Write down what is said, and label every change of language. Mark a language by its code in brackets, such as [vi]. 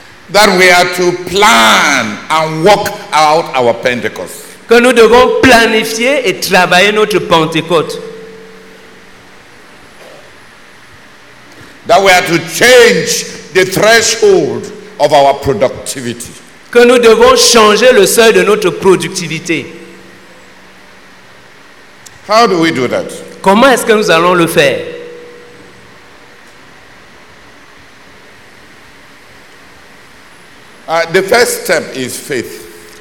[en] That we are to plan and work out our Pentecost. [fr] Que nous devons planifier et travailler notre Pentecôte. [en] That we are to change the threshold of our productivity. [fr] Que nous devons changer le seuil de notre productivité. [en] How do we do that? [fr] Comment est-ce que nous allons le faire? [en] The first step is faith.